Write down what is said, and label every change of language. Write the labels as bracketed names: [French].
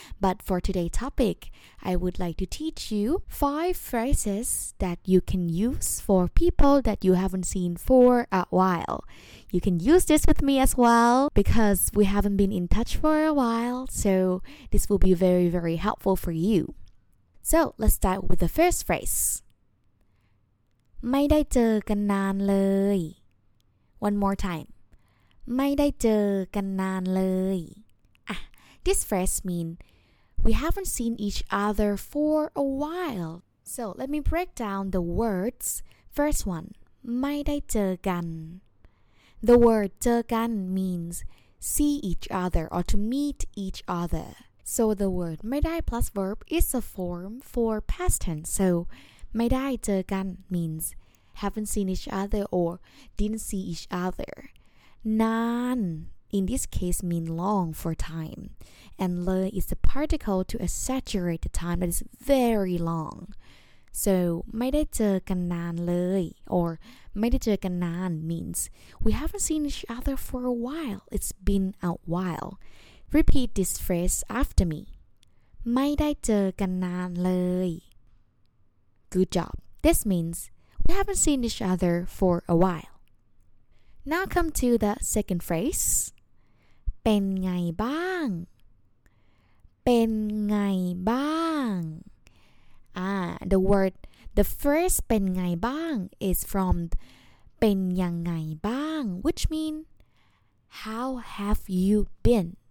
[English] But for today's topic, I would like to teach you 5 phrases that you can use for people that you haven't seen for a while. You can use this with me as well because we haven't been in touch for a while, so this will be very, very helpful for you. So let's start with the first phrase. [Thai] ไม่ได้เจอกันนานเลย [English] One more time. [Thai] ไม่ได้เจอกันนานเลย [English] This phrase means we haven't seen each other for a while. So let me break down the words. First one, [Thai] ไม่ได้เจอกัน [English] The word [Thai] เจอกัน [English] means see each other or to meet each other. So the word [Thai] ไม่ได้ [English] plus verb is a form for past tense. So [Thai] ไม่ได้เจอกัน [English] means haven't seen each other or didn't see each other. นาน in this case mean long for time. And เลย is the particle to exaggerate the time that is very long. So [Thai] ไม่ได้เจอกันนานเลย [English] or [Thai] ไม่ได้เจอกันนาน [English] means we haven't seen each other for a while. It's been a while. Repeat this phrase after me. [Thai] ไม่ได้เจอกันนานเลย [English] Good job. This means we haven't seen each other for a while. Now come to the second phrase. [Thai] เป็นไงบ้าง เป็นไงบ้าง [English] The word, the phrase [Thai] เป็นไงบ้าง [English] is from [Thai] เป็นยังไงบ้าง [English] which means how have you been?